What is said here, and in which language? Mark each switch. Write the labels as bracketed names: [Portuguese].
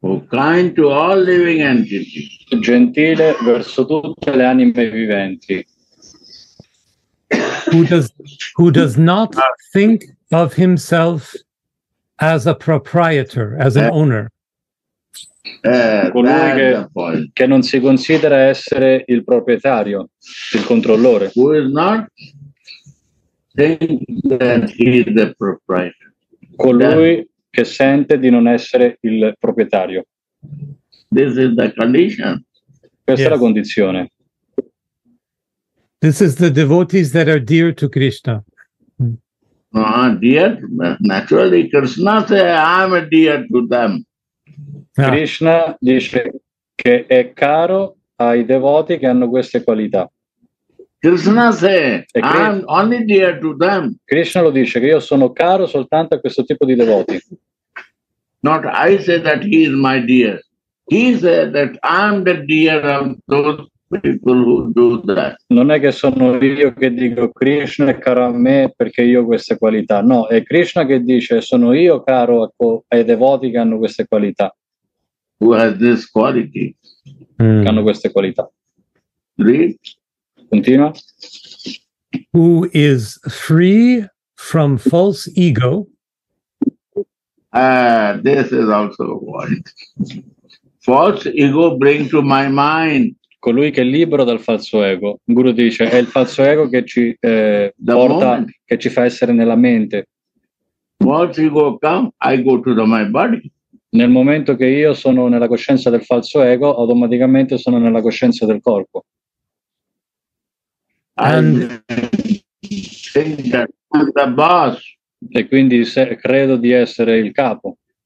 [English] Kind to all living entities. [Italian] Gentile verso tutte le anime viventi. [English] Who does not think of himself as a proprietor, as an owner. [Italian] Colui che non si considera essere il proprietario, il controllore. [English] Who is not think that he is the proprietor. [Italian] Colui che sente di non essere il proprietario. [English] This is the condition. [Italian] Questa è la condizione. [English] This is the devotees that are dear to Krishna. Dear, naturally Krishna says I'm dear to them. Ah. [Italian] Krishna dice che è caro ai devoti che hanno queste qualità. [English] Krishna says I'm only dear to them. [Italian] Krishna lo dice che io sono caro soltanto a questo tipo di devoti. [English] Not I say that he is my dear. He said that I'm the dear of those people who do that. [Italian] Non è che sono io che dico Krishna è caro a me perché io ho queste qualità. No, è Krishna che dice sono io caro ai devoti che hanno queste qualità. [English] Who has this quality? [Italian] Che hanno queste qualità. [English] Read. [Italian] Continua. [English] Who is free from false ego. This is also what false ego bring to my mind. [Italian] Colui che è libero dal falso ego. Guru dice è il falso ego che ci porta, moment. Che ci fa essere nella mente. [English] False ego come, I go to the, my body. [Italian] Nel momento che io sono nella coscienza del falso ego, automaticamente sono nella coscienza del corpo. [English] And think that I'm the boss. [Italian] E quindi credo di essere il capo.